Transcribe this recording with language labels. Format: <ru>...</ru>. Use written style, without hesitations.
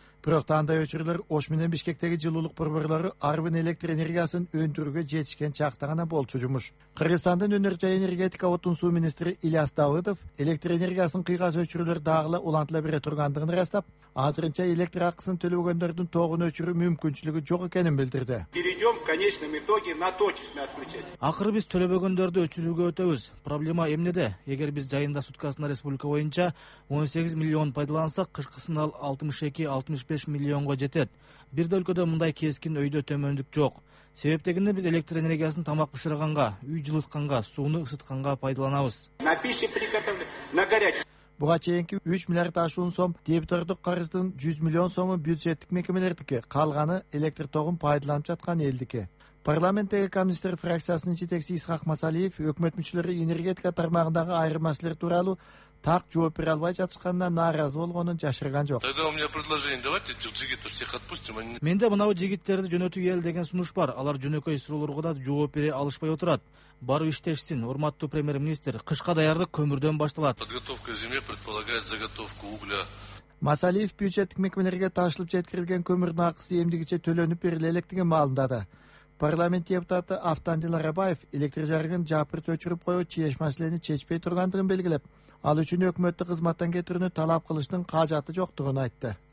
<ky>Бирок андай өчүрүүлөр Ош менен Бишкектеги жылуулук борборлору ар бир электр энергиясын өндүрүүгө жетишкен чакта гана болчу жумуш. Кыргызстандын өнөр жай энергетика отун суу министри Ильяс Давыдов электр энергиясын кыйгас өчүрүүлөр дагы улантыла бере тургандыгын ырастап, азырынча электр акысын төлөгөндөрдүн тогун өчүрүү мүмкүнчүлүгү жок экенин билдирди.</ky> <ru>Перейдем в конечном итоге на точечное отключение.</ru> <ky>Акыры биз төлөбөгөндөрдү өчүрүүгө өтөбүз. Проблема эмнеде? Эгер биз жайында суткасына республика боюнча 18 миллион пайдалансак, кышкысын ал 62-65 миллионго жетет. Бир да өлкөдө мындай кескин өйдө төмөндүк жок. Себеп дегенде биз электр энергиясын тамак бышырганга, үй жылытканга, сууну ысытканга пайдаланабыз.</ky> <ru>На пище приготовлен, на горячем.</ru> <ky>Буга чейинки 3 миллиард ашуун сом дебитордук карыздын 100 миллион сому бюджеттик мекемелердики, калганы электр тогун пайдаланып жаткан элдики. Парламенттеги коммунисттер фракциясынын жетекчиси Исхак Масалиев өкмөт мүчөлөрү энергетика тармагындагы айырмачылыктар тууралуу так жооп бере албай жатышканына нааразы болгонун жашырган жок.</ky> <ru>Тогда у меня предложение, давайте этих жигитов всех отпустим.</ru> <ky>Менде мынабы жигиттерди жөнөтүү эл деген сунуш бар. Алар жөнөкөй суроолорго да жооп бере алышпай отурат. Бары иштешсин, урматтуу премьер-министр. Кышка даярдык көмүрдөн башталат.</ky> <ru>Подготовка зиме предполагает заготовку угля.</ru> <ky>Масалиев бюджеттик мекемелерге ташылып жеткирилген көмүрдүн акысы эмдигиче төлөнүп бериле электиги маалымдады. Парламент депутаты Автандил Арабаев электр жарыгын жапырт өчүрүп коюу чеш маселени чечпей тургандыгын белгилеп, ал үчүн өкмөттү кызматтан кетирүүнү талап кылыштын каажаты жоктугун айтты.</ky>